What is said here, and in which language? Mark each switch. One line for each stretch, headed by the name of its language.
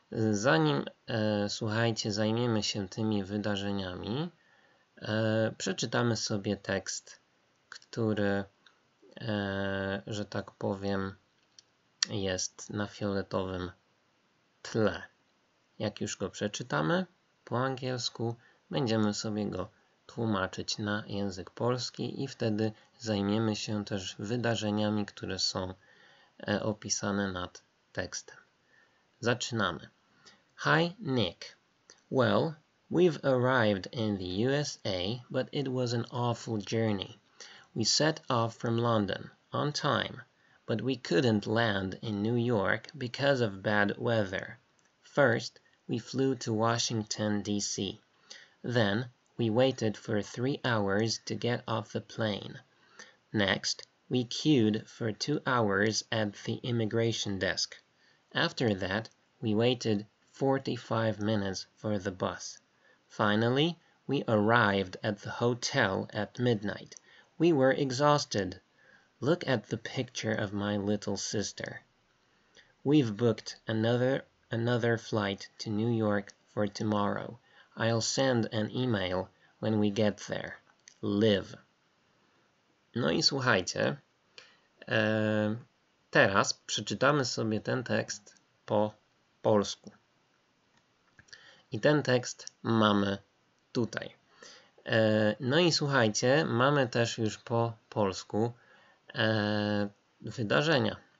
Polish: Zanim, słuchajcie, zajmiemy się tymi wydarzeniami, przeczytamy sobie tekst, który, że tak powiem, jest na fioletowym tle. Jak już go przeczytamy po angielsku, będziemy sobie go tłumaczyć na język polski i wtedy zajmiemy się też wydarzeniami, które są opisane nad tekstem. Zaczynamy.
English: Hi, Nick. Well, we've arrived in the USA, but it was an awful journey. We set off from London on time, but we couldn't land in New York because of bad weather. First, we flew to Washington, D.C. Then, we waited for 3 hours to get off the plane. Next, we queued for 2 hours at the immigration desk. After that, we waited 45 minutes for the bus. Finally, we arrived at the hotel at midnight. We were exhausted. Look at the picture of my little sister. We've booked another flight to New York for tomorrow. I'll send an email when we get there. Live.
Polish: No i słuchajcie, teraz przeczytamy sobie ten tekst po polsku. I ten tekst mamy tutaj. No i słuchajcie, mamy też już po polsku wydarzenia.